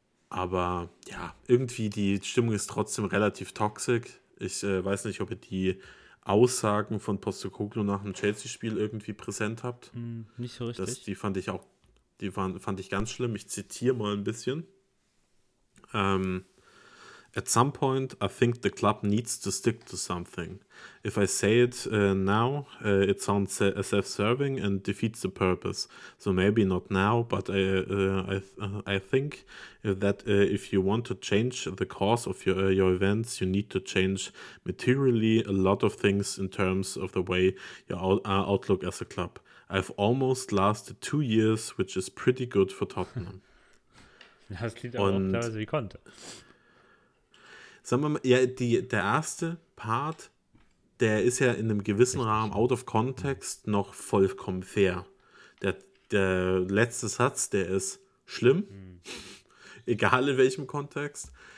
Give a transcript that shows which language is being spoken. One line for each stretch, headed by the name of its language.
German: Aber ja, irgendwie die Stimmung ist trotzdem relativ toxisch. Ich weiß nicht, ob ihr die Aussagen von Postecoglou nach dem Chelsea-Spiel irgendwie präsent habt. Nicht so richtig. Die fand ich ganz schlimm. Ich zitiere mal ein bisschen.
English: At some point, I think the club needs to stick to something. If I say it now, it sounds self-serving and defeats the purpose. So maybe not now, but I think if you want to change the course of your events, you need to change materially a lot of things in terms of the way your outlook as a club. I've almost lasted 2 years, which is pretty good for Tottenham.
German: Das klingt aber auch klar, wie konnte. Sagen wir mal, ja, der erste Part, der ist ja in einem gewissen Rahmen
English: out of context
German: noch vollkommen fair. Der letzte Satz, der ist schlimm, egal in welchem Kontext.